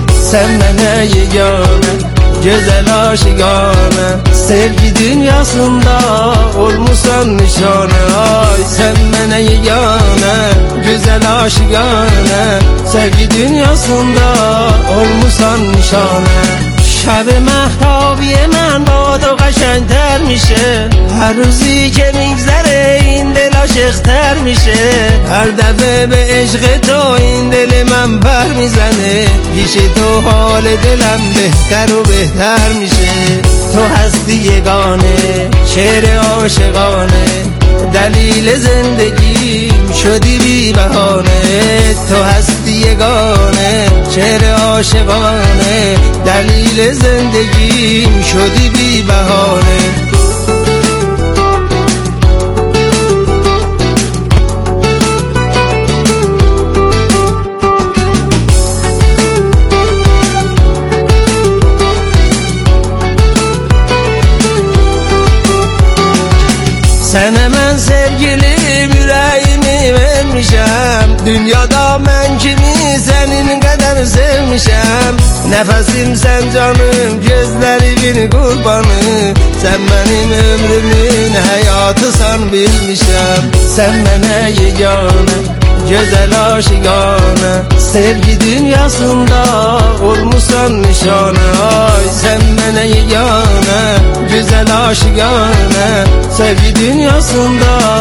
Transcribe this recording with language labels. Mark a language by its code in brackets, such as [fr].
[tr] Sen bana yegane, güzel aşıkane, sevgi dünyasında olmuşsan nişane. Ay sen bana yegane, güzel aşıkane, sevgi dünyasında olmuşsan nişane. [fa] شب مهتابی من با تو قشنگ تر میشه، هر روزی که میگذره این دل عاشق تر میشه، هر دفعه به عشق تو این دل من بر میزنه، پیش تو حال دلم بهتر و بهتر میشه. تو هستی یگانه شعر عاشقانه، دلیل زندگیم شدی بی بهانه. تو هستی یگانه چهر عاشقانه، دلیل زندگیم شدی بی بهانه. سن من سرگلی بیرایی میبرمیشم، [az] Dünyada mən kimi sənin qədər sevmişəm Nəfəsim sən canım, gözlərimin qurbanı Sən mənim ömrümün həyatısan bilmişəm Sən mənə yeganə, gözəl aşıqanə Sevgi dünyasında vurmuşsan nişanə Ay, sən mənə yeganə Güzel aşıkane Sevgi dünyasında